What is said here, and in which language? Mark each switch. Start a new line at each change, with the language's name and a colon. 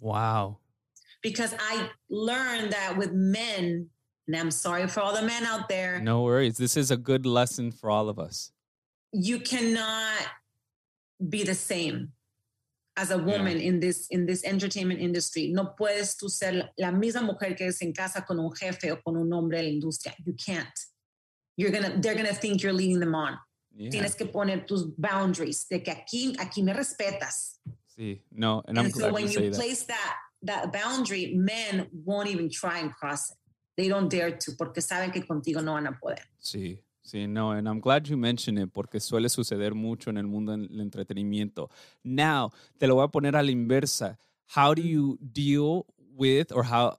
English: Wow. Because I learned that with men, and I'm sorry for all the men out there. No worries. This is a good lesson for all of us. You cannot be the same as a woman in this entertainment industry.
Spanish: No puedes tú ser la misma mujer que es en casa con un jefe o con un hombre de la industria.
English: You can't. They're gonna think you're leading them on. Yeah.
Spanish: Tienes que poner tus boundaries de que aquí me respetas.
English: Sí, no, and I'm glad so when you place that boundary, men won't even try and cross it. They don't dare to
Spanish: porque saben que contigo no van a poder. Sí, sí, no,
English: and I'm glad you mentioned it
Spanish: porque suele suceder mucho en el mundo del entretenimiento.
English: Now,
Spanish: te lo voy a poner a la inversa.
English: How do you deal with or how?